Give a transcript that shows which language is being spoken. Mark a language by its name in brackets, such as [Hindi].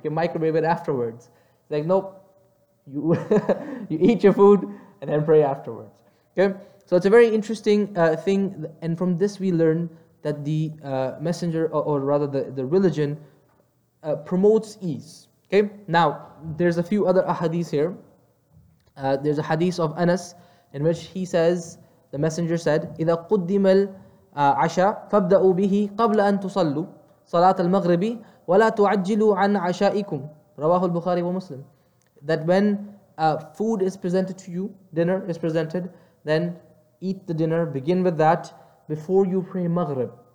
[English] You can microwave it afterwards. It's like, nope, you you eat your food and then pray afterwards. Okay, so it's a very interesting thing. And from this we learn that the messenger, or rather the religion, promotes ease. Okay, now there's a few other ahadith here. There's a hadith of Anas in which he says, the messenger said, [Arabic] إِذَا قُدِّمَ عَشَى فَابْدَأُوا بِهِ قَبْلَ أَن تُصَلُّوا صَلَاةَ الْمَغْرِبِ وَلَا تُعَجِّلُوا عَنْ عَشَائِكُمْ. رواه البخاري ومسلم. [English] That when food is presented to you, dinner is presented, then eat the dinner, begin with that before you pray Maghrib.